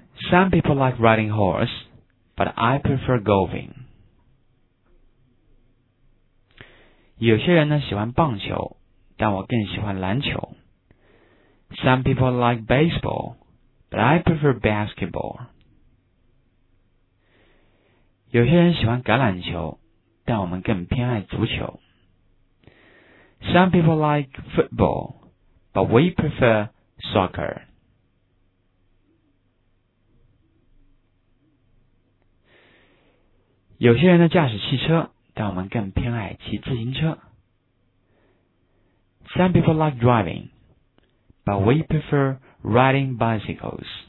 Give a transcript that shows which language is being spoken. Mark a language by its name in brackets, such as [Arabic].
[English] Some people like riding horse, but I prefer golfing. [Chinese] 有些人呢喜欢棒球，但我更喜欢篮球。 [English] Some people like baseball, but I prefer basketball. [Chinese] 有些人喜欢橄榄球，但我们更偏爱足球。 [English] Some people like football, but we prefer soccer. [Chinese] 有些人呢驾驶汽车，但我们更偏爱骑自行车。 [English] Some people like driving, but we prefer riding bicycles.